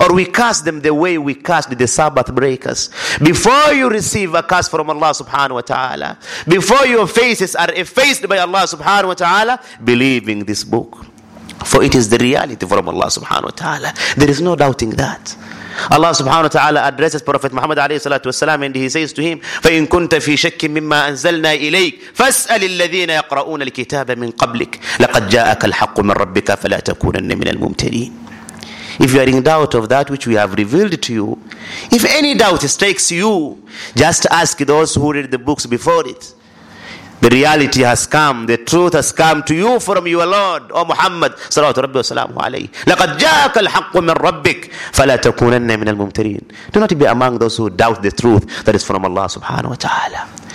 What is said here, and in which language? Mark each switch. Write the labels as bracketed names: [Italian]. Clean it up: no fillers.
[English] Or we cast them the way we cast the Sabbath breakers. Before you receive a curse from Allah subhanahu wa ta'ala, before your faces are effaced by Allah subhanahu wa ta'ala, believe in this book. For it is the reality from Allah subhanahu wa ta'ala. There is no doubting that. Allah subhanahu wa ta'ala addresses Prophet Muhammad alayhi salatu wasalam, and he says to him, [Arabic] فَإِنْ كُنْتَ فِي شَكٍ مِمَّا أَنزَلْنَا إِلَيْكَ فَاسْأَلِ الَّذِينَ يَقْرَؤُونَ الْكِتَابَ مِنْ قَبْلِكَ لَقَدْ جَاءَكَ الْحَقُّ مِنْ رَبِّكَ فَلَا تَكُونَنَّ مِنَ الْمُمْتَرِينَ. [English] If you are in doubt of that which we have revealed to you, if any doubt strikes you, just ask those who read the books before it. The reality has come. The truth has come to you from your Lord, O Muhammad, salatu rabbi wa salamu alayhi. [Arabic] لَقَدْ جَاءَكَ الْحَقُّ مِنْ رَبِّكَ فَلَا تَكُونَنَّ مِنَ الْمُمْتَرِينَ. [English] Do not be among those who doubt the truth that is from Allah subhanahu wa ta'ala.